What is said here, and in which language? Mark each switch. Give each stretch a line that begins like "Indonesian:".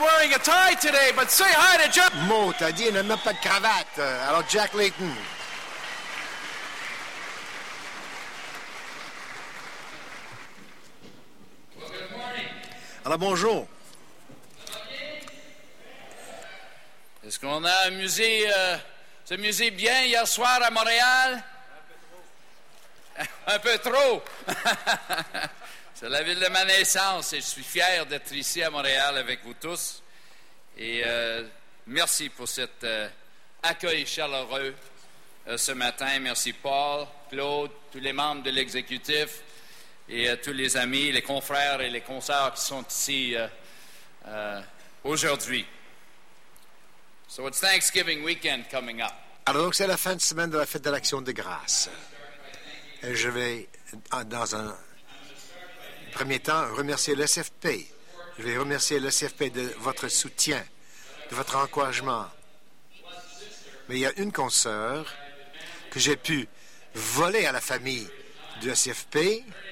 English: A tie today, but say hi to Jack.
French: Mon, t'as dit, il n'a même pas de cravate. Alors, Jack Layton. Alors, bonjour. Est-ce qu'on a amusé bien hier soir à Montréal? Un peu trop. C'est la ville de ma naissance et je suis fier d'être ici à Montréal avec vous tous. Et merci pour cet accueil chaleureux ce matin. Merci Paul, Claude, tous les membres de l'exécutif et tous les amis, les confrères et les consœurs qui sont ici aujourd'hui.
English: So it's Thanksgiving weekend coming up.
French: Alors donc c'est la fin de semaine de la fête de l'Action de grâce. Et je vais, dans un premier temps, remercier l'SFP. Je vais remercier le CFP de votre soutien, de votre encouragement. Mais il y a une consoeur que j'ai pu voler à la famille du CFP.